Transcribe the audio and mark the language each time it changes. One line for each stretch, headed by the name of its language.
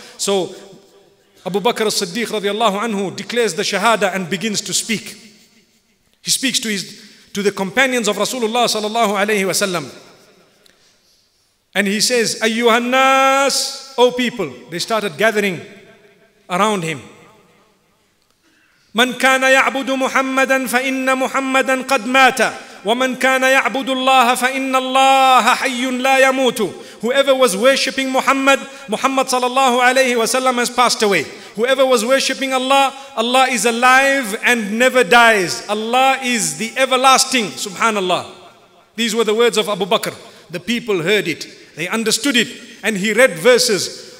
English: So Abu Bakr as-Siddiq radiallahu anhu declares the shahada and begins to speak. He speaks to his to the companions of Rasulullah sallallahu alayhi wa sallam. And he says,
Arabic: Ayyuhan nas,
English: O people, they started gathering around him.
Arabic: من كان يعبد محمدا فإن محمدا قد مات ومن كان يعبد الله فإن الله حي لا يموت.
English: Whoever was worshipping Muhammad, Muhammad sallallahu alayhi wa sallam has passed away. Whoever was worshipping Allah, Allah is alive and never dies. Allah is the everlasting. Subhanallah. These were the words of Abu Bakr. The people heard it. They understood it. And he read verses.